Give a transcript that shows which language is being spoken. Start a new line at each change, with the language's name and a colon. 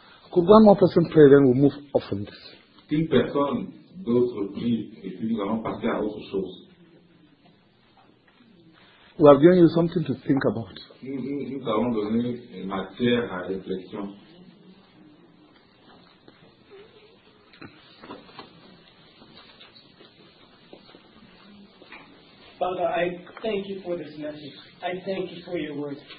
English: Could one more person pray, then we'll move off from this.
French: Une personne d'autre prie et puis nous allons passer à autre chose.
English: We have given you something to think about.
French: Nous avons donné une matière à réflexion.
English: Bye. Father, I thank you for this message. I thank you for your words.